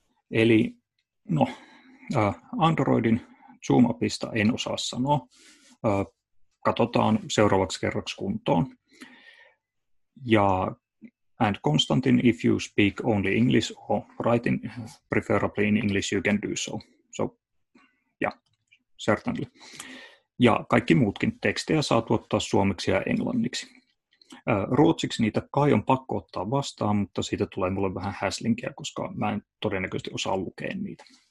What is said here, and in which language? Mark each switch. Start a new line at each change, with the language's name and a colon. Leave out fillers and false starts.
Finnish: Eli no... Androidin Zoom-appista en osaa sanoa. Katsotaan seuraavaksi kerroksi kuntoon. Ja,
English: and Konstantin, if you speak only English or writing preferably in English, you can do so. So, yeah, certainly.
Finnish: Ja kaikki muutkin tekstejä saa tuottaa suomeksi ja englanniksi. Ruotsiksi niitä kai on pakko ottaa vastaan, mutta siitä tulee mulle vähän häslinkiä, koska mä en todennäköisesti osaa lukea niitä.